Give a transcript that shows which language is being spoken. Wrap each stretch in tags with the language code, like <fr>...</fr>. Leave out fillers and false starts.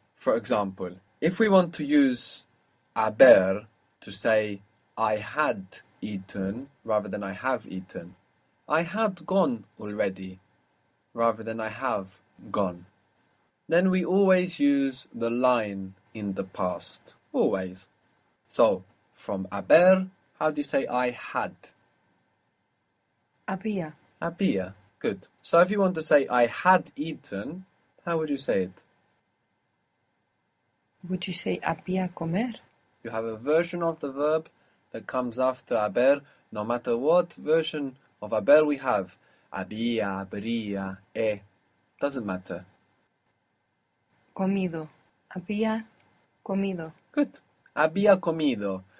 <en>For example, if we want to use haber to say I had eaten rather than I have eaten, I had gone already rather than I have gone, then we always use the line in the past. Always. So, from haber, how do you say I had?</en> <es>Había. Había.</es> <en>Good. So if you want to say I had eaten, how would you say it? Would you say</en> <es>había comer?</es> <en>You have a version of the verb that comes after haber, no matter what version of haber we have.</en> <es>Había, habría,</es> <en>e. Doesn't matter.</en> <es>Comido. Había comido.</es> <en>Good.</en> <es>Había comido.</es>